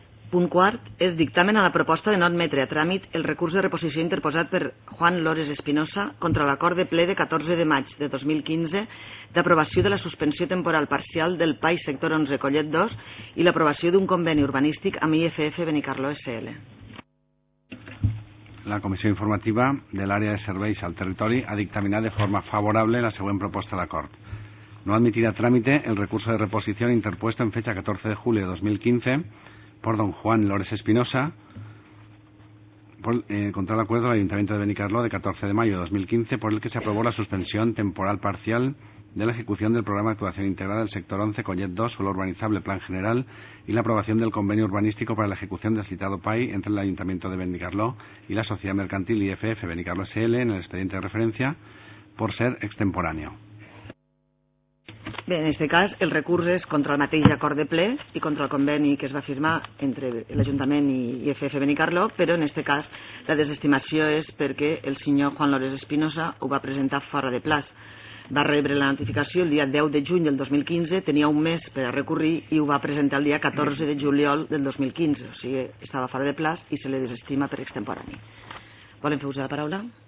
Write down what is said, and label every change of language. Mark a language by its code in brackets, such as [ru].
[ca] Punt quart és dictamen a la proposta de no admetre a tràmit el recurs de reposició interposat per Juan Lores Espinosa contra l'acord de ple de 14 de maig de 2015 d'aprovació de la suspensió temporal parcial del PAI sector 11 Collet 2 i l'aprovació d'un conveni urbanístic amb IFF Benicarló SL. La Comissió Informativa de l'Àrea de Serveis al Territori ha dictaminat de forma favorable la següent proposta d'acord. [es] No admitir a trámite el recurso de reposición interpuesto en fecha 14 de julio de 2015 por don Juan Lores Espinosa contra el acuerdo del Ayuntamiento de Benicarló de 14 de mayo de 2015 por el que se aprobó la suspensión temporal parcial de la ejecución del programa de actuación integrada del sector 11, Collet 2, suelo urbanizable, plan general y la aprobación del convenio urbanístico para la ejecución del citado PAI entre el Ayuntamiento de Benicarló y la sociedad mercantil IFF Benicarló SL en el expediente de referencia por ser extemporáneo. [ca] Bé, en aquest cas el recurs és contra el mateix acord de ple i contra el conveni que es va firmar entre l'Ajuntament i IFF Benicarló, però en aquest cas la desestimació és perquè el senyor Juan Lores Espinosa ho va presentar fora de plaç. Va rebre la notificació el dia 10 de juny del 2015, tenia un mes per a recurrir i ho va presentar el dia 14 de juliol del 2015, o sigui, estava fora de plaç i se li desestima per extemporani. Volen fer ús de la paraula?